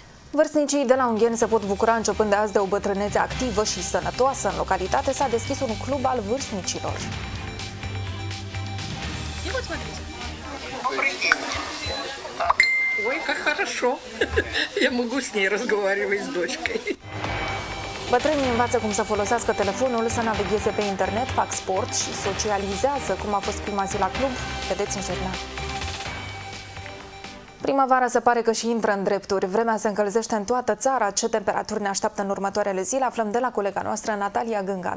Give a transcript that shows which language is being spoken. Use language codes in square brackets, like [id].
[ro] Vârstnicii de la Ungheni se pot bucura începând de azi de o bătrânețe activă și sănătoasă. În localitate s-a deschis un club al vârstnicilor. Ui, ca [ru] хорошо. Я могу с ней разговаривать с дочкой. [ro] Bătrânii învață cum să folosească telefonul, să navigheze pe internet, fac sport și socializează. Cum a fost prima zi la club? Vedeți în jurnal. Primăvara se pare că și intră în drepturi. Vremea se încălzește în toată țara. Ce temperaturi ne așteaptă în următoarele zile? Aflăm de la colega noastră, Natalia Gânga.